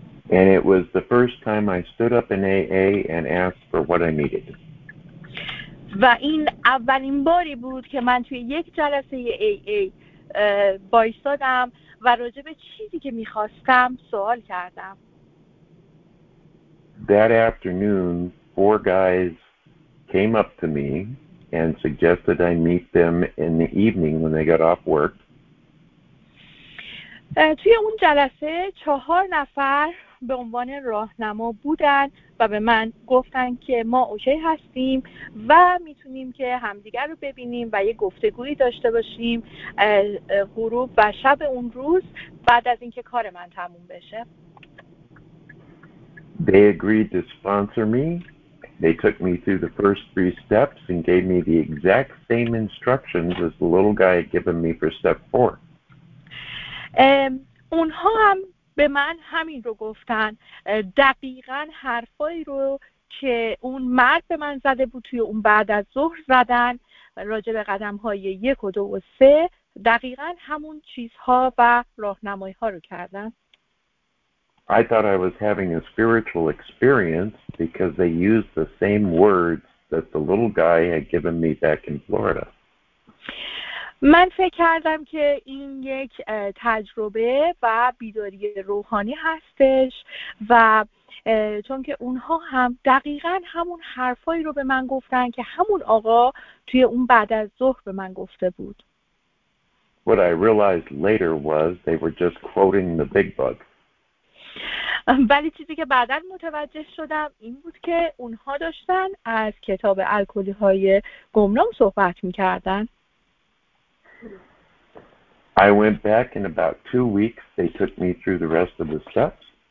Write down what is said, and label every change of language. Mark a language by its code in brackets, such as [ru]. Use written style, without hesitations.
[en] And it was the first time I stood up in AA and asked for what I needed. [fa] و این اولین باری بود که من توی یک جلسه AA بایستادم و راجع به چیزی که میخواستم سوال کردم. [en] That afternoon, four guys came up to me and suggested I meet them in the evening when they got off work. [fa] توی اون جلسه 4 نفر به عنوان راهنما بودن و به من گفتن که ما اوکی هستیم و میتونیم که همدیگر رو ببینیم و یه گفتگویی داشته باشیم غروب و شب اون روز بعد از اینکه کار من تموم بشه. [en] They agreed to sponsor me. They took me through the first 3 steps and gave me the exact same instructions as the little guy had given me for step 4. [fa] اونها هم به من همین رو گفتن، دقیقا حرفایی رو که اون مرد به من زده بود توی اون بعد از ظهر زدن راجع به قدم های [en] 1, 2, and 3 [fa] دقیقا همون چیزها و راهنمایی ها رو کردن. [en] I thought I was having a spiritual experience because they used the same words that the little guy had given me back in Florida. [fa] من فکر کردم که این یک تجربه و بیداری روحانی هستش و چون که اونها هم دقیقا همون حرفایی رو به من گفتن که همون آقا توی اون بعد از ظهر به من گفته بود. [en] What I realized later was they were just quoting the big book. [fa] ولی چیزی که بعدا متوجه شدم این بود که اونها داشتن از کتاب الکلی های گمنام صحبت میکردن. [en] I went back in about 2 weeks. They took me through the rest of the steps.